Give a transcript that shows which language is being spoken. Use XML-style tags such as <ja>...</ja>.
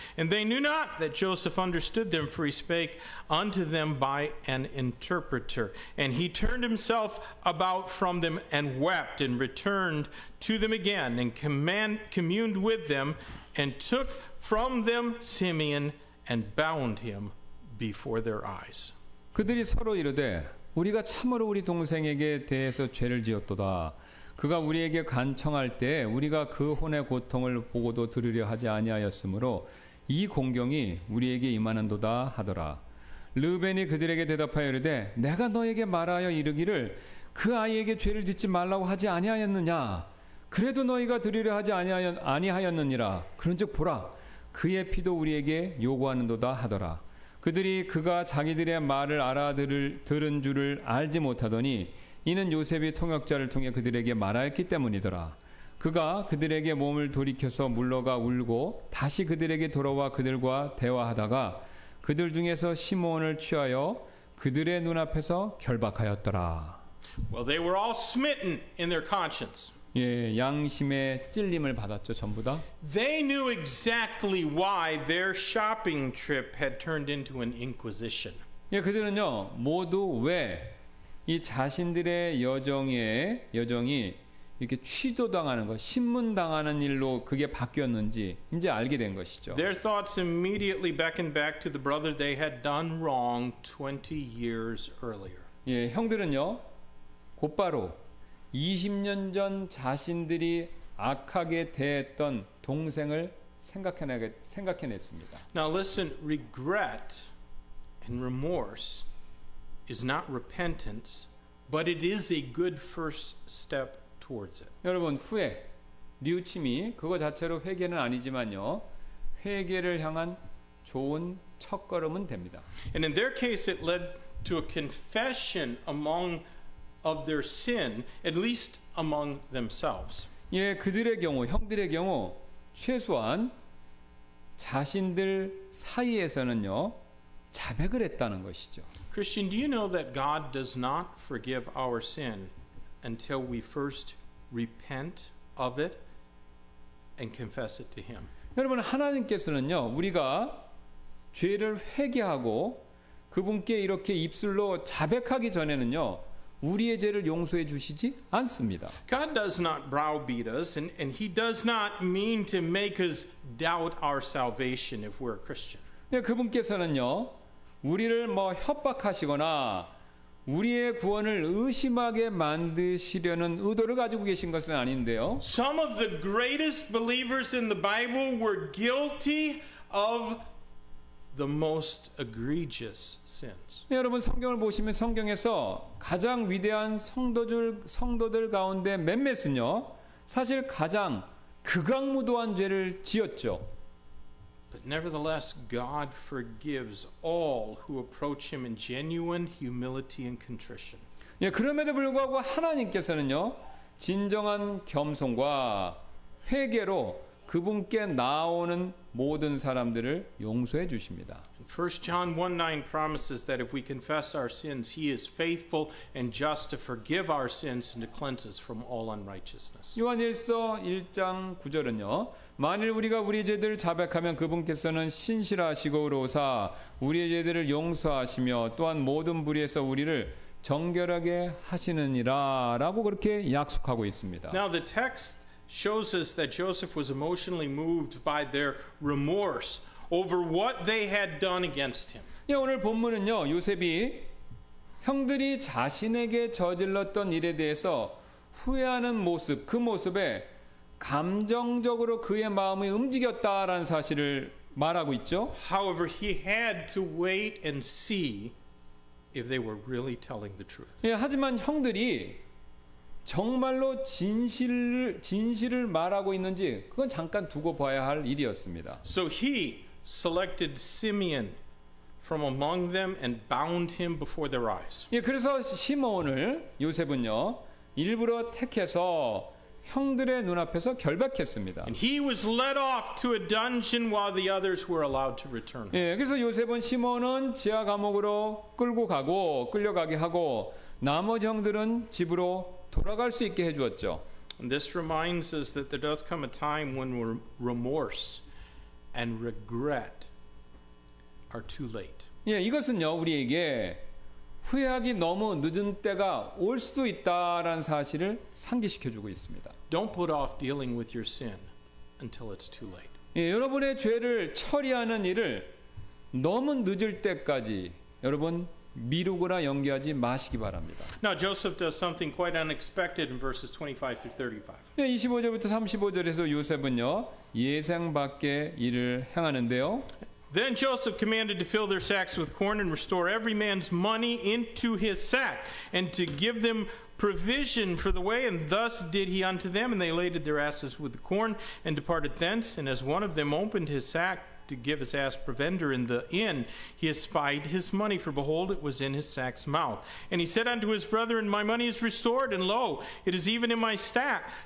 <en>And they knew not that Joseph understood them, for he spake unto them by an interpreter. And he turned himself about from them and wept and returned to them again and communed with them and took from them Simeon and bound him before their eyes.</en> <ko>그들이 서로 이르되 우리가 참으로 우리 동생에게 대해서 죄를 지었도다. 그가 우리에게 간청할 때 우리가 그 혼의 고통을 보고도 들으려 하지 아니하였으므로 이 공경이 우리에게 임하는도다 하더라. 르벤이 그들에게 대답하여 이르되 내가 너에게 말하여 이르기를 그 아이에게 죄를 짓지 말라고 하지 아니하였느냐? 그래도 너희가 드리려 하지 아니하였느니라. 그런즉 보라, 그의 피도 우리에게 요구하는도다 하더라. 그들이 그가 자기들의 말을 들은 줄을 알지 못하더니 이는 요셉이 통역자를 통해 그들에게 말하였기 때문이더라. 그가 그들에게 몸을 돌이켜서 물러가 울고 다시 그들에게 돌아와 그들과 대화하다가 그들 중에서 시몬을 취하여 그들의 눈앞에서 결박하였더라.</ko> <en>Well, they were all smitten in their conscience.</en> <ko>예, 양심의 찔림을 받았죠, 전부 다.</ko> <en>They knew exactly why their shopping trip had turned into an inquisition.</en> <ko>예, 그들은요, 모두 왜 이 자신들의 여정이 이렇게 취조당하는 거, 신문당하는 일로 그게 바뀌었는지 이제 알게 된 것이죠.</ko> <en>Their thoughts immediately beckoned back to the brother they had done wrong 20 years earlier.</en> <ko>예, 형들은요. 곧바로 20년 전 자신들이 악하게 대했던 동생을 생각해냈습니다.</ko> <en>Now listen, regret and remorse is not repentance, but it is a good first step towards it.</en> <ko>여러분 후회, 뉘우침이 그거 자체로 회개는 아니지만요. 회개를 향한 좋은 첫 걸음은 됩니다.</ko> <en>And in their case it led to a confession among of their sin, at least among themselves.</en> <ko>예, 그들의 경우, 형들의 경우 최소한 자신들 사이에서는요. 자백을 했다는 것이죠.</ko> <en>Christian, do you know that God does not forgive our sin until we first repent of it and confess it to him?</en> <ko>여러분 하나님께서는요. 우리가 죄를 회개하고 그분께 이렇게 입술로 자백하기 전에는요. 우리의 죄를 용서해 주시지 않습니다.</ko> <en>God does not browbeat us and he does not mean to make us doubt our salvation if we're a Christian.</en> <ko>네, 그분께서는요. 우리를 뭐 협박하시거나 우리의 구원을 의심하게 만드시려는 의도를 가지고 계신 것은 아닌데요.</ko> <en>Some of the greatest believers in the Bible were guilty of the most egregious sins.</en> <ko>네, 여러분 성경을 보시면 성경에서 가장 위대한 성도들 가운데 몇몇은요. 사실 가장 극악무도한 죄를 지었죠.</ko> <en>But nevertheless, God forgives all who approach Him in genuine humility and contrition.</en> <ko>예, 그럼에도 불구하고 하나님께서는요, 진정한 겸손과 회개로 그분께 나오는 모든 사람들을 용서해 주십니다.</ko> <en>1 John 1:9 promises that if we confess our sins, He is faithful and just to forgive our sins and to cleanse us from all unrighteousness.</en> <ko>요한일서 1장 9절은요. 만일 우리가 우리 죄들을 자백하면 그분께서는 신실하시고 의로우사 우리의 죄들을 용서하시며 또한 모든 불의에서 우리를 정결하게 하시느니라라고 그렇게 약속하고 있습니다.</ko> <en>Now the text shows us that Joseph was emotionally moved by their remorse over what they had done against him.</en> <ko>예, 오늘 본문은요. 요셉이 형들이 자신에게 저질렀던 일에 대해서 후회하는 모습, 그 모습에 감정적으로 그의 마음이 움직였다라는 사실을 말하고 있죠.</ko> <en>However, he had to wait and see if they were really telling the truth.</en> <ko>예, 하지만 형들이 정말로 진실을 말하고 있는지 그건 잠깐 두고 봐야 할 일이었습니다.</ko> <en>So he selected Simeon from among them and bound him before their eyes.</en> <ko>예, 그래서 시므온을 요셉은요 일부러 택해서 형들의 눈앞에서 결박했습니다.</ko> <en>And he was led off to a dungeon while the others were allowed to return.</en> <ko>예, 그래서 요셉은 시므온은 지하 감옥으로 끌고 가고 끌려가게 하고 나머지 형들은 집으로 돌아갈 수 있게 해 주었죠.</ko> <en>And this reminds us that there does come a time when remorse and regret are too late.</en> <ko>예, 이것은요 우리에게 후회하기 너무 늦은 때가 올 수도 있다라는 사실을 상기시켜 주고 있습니다.</ko> <en>Don't put off dealing with your sin until it's too late.</en> <ko>예, 여러분의 죄를 처리하는 일을 너무 늦을 때까지 여러분 미루거나 연기하지 마시기 바랍니다.</ko> <en>Now Joseph does something quite unexpected in verses 25 through 35.</en> <ko>예, 25절부터 35절에서 요셉은요 예상 밖의 일을 행하는데요.</ko> <en>Then Joseph commanded to fill their sacks with corn and restore every man's money into his sack and to give them provision for the way and thus did he unto them and they laded their asses with the corn and departed thence and as one of them opened his sack to give his ass provender in the inn he espied his money for behold it was in his sack's mouth and he said unto his brethren my money is restored and lo it is even in my sack</en>